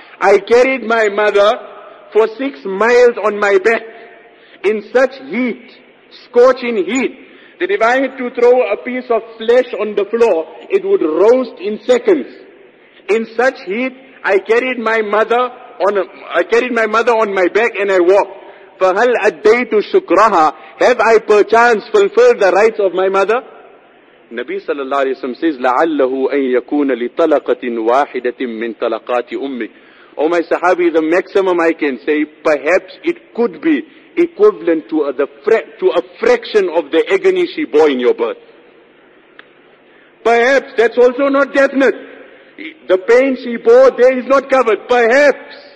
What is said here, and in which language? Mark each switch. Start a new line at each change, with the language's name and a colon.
English: I carried my mother for 6 miles on my back in such heat, scorching heat, that if I had to throw a piece of flesh on the floor, it would roast in seconds. In such heat, I carried my mother on my back and I walked.
Arabic: فَهَلْ أَدَّيْتُ شُكْرَهَا.
English: Have I perchance fulfilled the rights of my mother?
Arabic: Nabi sallallahu alayhi wa sallam says, لَعَلَّهُ أَن يَكُونَ لِطَلَقَةٍ وَاحِدَةٍ مِّن طَلَقَاتِ أُمِّكَ.
English: Oh my Sahabi, the maximum I can say, perhaps it could be equivalent to a fraction of the agony she bore in your birth. Perhaps, that's also not definite. The pain she bore there is not covered. Perhaps.